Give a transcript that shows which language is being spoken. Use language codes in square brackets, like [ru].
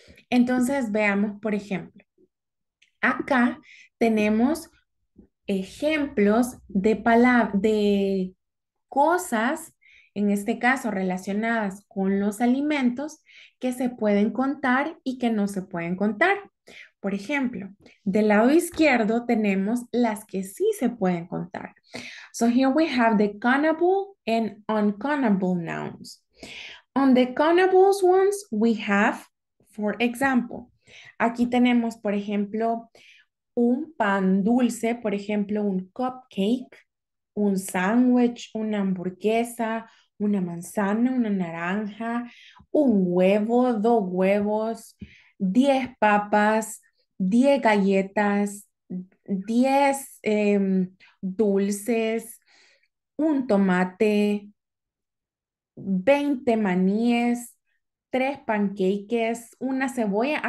[es] Entonces, veamos, por ejemplo, acá tenemos ejemplos de palabras, de cosas, en este caso relacionadas con los alimentos, que se pueden contar y que no se pueden contar. Por ejemplo, del lado izquierdo tenemos las que sí se pueden contar. [en] So here we have the countable and uncountable nouns. On the countable ones, we have, for example, [es] aquí tenemos, por ejemplo, un pan dulce, por ejemplo, un cupcake, un sándwich, una hamburguesa, una manzana, una naranja, un huevo, dos huevos, 10 papas, 10 galletas, 10 dulces, un tomate, 20 maníes, 3 panqueques, una cebolla.